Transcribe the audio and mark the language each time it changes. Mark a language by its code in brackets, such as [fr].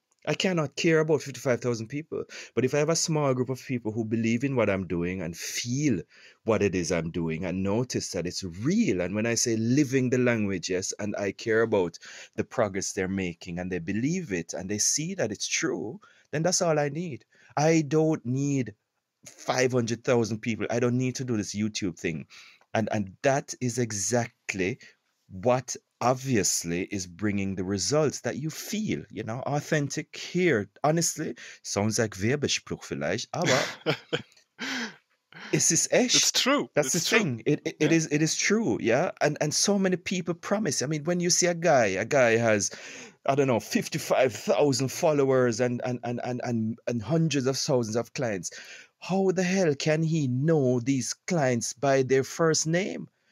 [en] I cannot care about 55,000 people, but if I have a small group of people who believe in what I'm doing and feel what it is I'm doing and notice that it's real, and when I say living the language, yes, and I care about the progress they're making and they believe it and they see that it's true, then that's all I need. I don't need 500,000 people. I don't need to do this YouTube thing. And that is exactly what obviously is bringing the results that you feel, you know, authentic here. Honestly, sounds like [de] Werbespruch vielleicht, aber es ist echt. [en] It's true. That's it's the thing. It is true, yeah? And so many people promise. I mean, when you see a guy has, I don't know, 55,000 followers and hundreds of thousands of clients, how the hell can he know these clients by their first name?